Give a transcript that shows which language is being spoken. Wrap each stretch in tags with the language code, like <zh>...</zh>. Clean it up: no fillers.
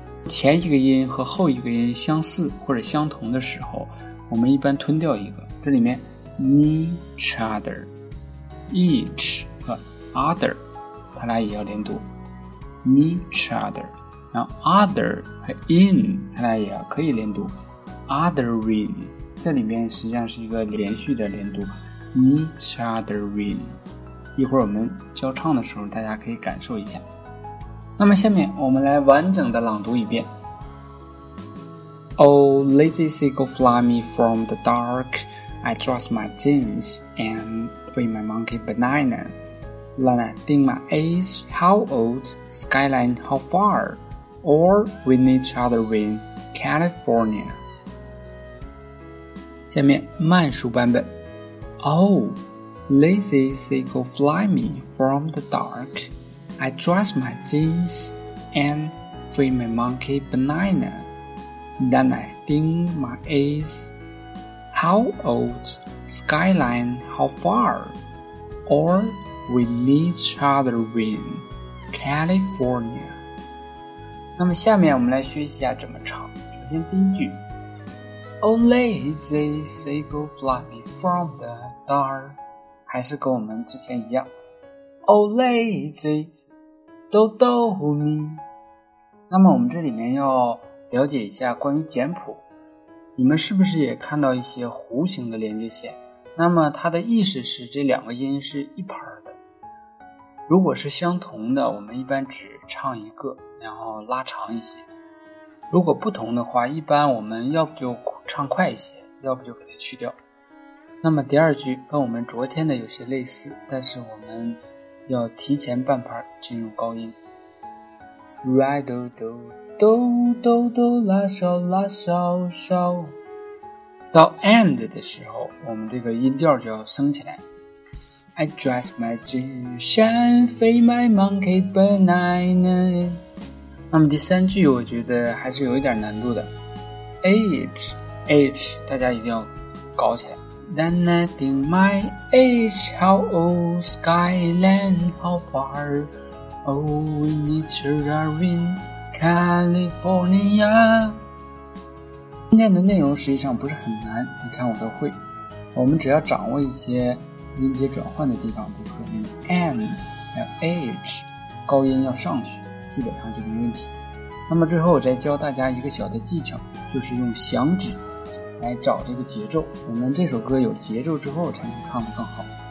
<zh>前一个音和后一个音相似或者相同的时候，我们一般吞掉一个，这里面 each other, each 和 other, 它俩也要连读 each other,然后 other 和 in 它俩也可以连读 othering, 这里面实际上是一个连续的连读 each othering, 一会儿我们教唱的时候大家可以感受一下。那么下面我们来完整的朗读一遍。</zh> <en>Oh lazy seagull, fly me from the dark, I dress my jeans and feed my monkey banana, Then I think my age, how old, skyline how farOr we need each other in California.</en> <zh>下面慢速版本。</zh> <en>Oh, lazy seagull, fly me from the dark. I dress my jeans and feed my monkey banana. Then I think my age. How old, skyline, how far? Or we need each other in California.</en> <zh>那么下面我们来学习一下怎么唱。首先第一句</zh> <en>Oh lazy seagull, fly me from the dark,</en> <zh>还是跟我们之前一样</zh> <en>Oh lazy, don't do me。</en> <zh>那么我们这里面要了解一下关于简谱，你们是不是也看到一些弧形的连接线，那么它的意思是这两个音是一拍的，如果是相同的我们一般只唱一个然后拉长一些，如果不同的话一般我们要不就唱快一些，要不就给它去掉。那么第二句跟我们昨天的有些类似，但是我们要提前半拍进入高音。 Ride do do do do la so la so so, 到 end 的时候我们这个音调就要升起来。</zh> <en>I dress my jeans and feed my monkey banana。</en> <zh>那么第三句我觉得还是有一点难度的 age 大家一定要搞起来。</zh> <en>Then I think my age, how old, skyline, how far, Oh, we need to run in California。</en> <zh>今天的内容实际上不是很难，你看我都会，我们只要掌握一些音节转换的地方，比如说 and 还有 age, 高音要上去基本上就没问题。那么最后我再教大家一个小的技巧，就是用响指来找这个节奏，我们这首歌有节奏之后才能唱得更好。</zh>